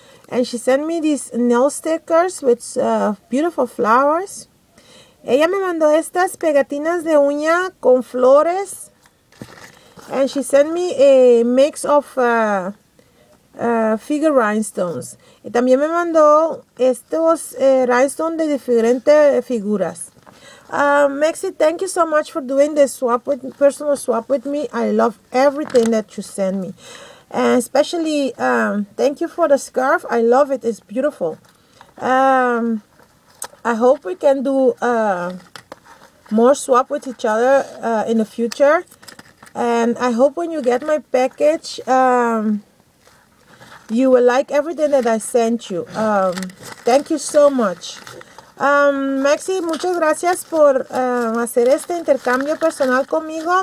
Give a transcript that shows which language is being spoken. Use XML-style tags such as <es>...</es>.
<en>And she sent me these nail stickers with beautiful flowers.</en> <es>Ella me mandó estas pegatinas de uña con flores.</es> <en>And she sent me a mix of figure rhinestones.</en> <es>Y también me mandó estos rhinestones de diferentes figuras.</es> <en>Maxi, thank you so much for doing this swap with personal swap with me. I love everything that you send me. And especially, thank you for the scarf. I love it. It's beautiful. I hope we can do more swap with each other in the future. And I hope when you get my package, you will like everything that I sent you. Thank you so much.</en> <es>Maxi, muchas gracias por hacer este intercambio personal conmigo.</es>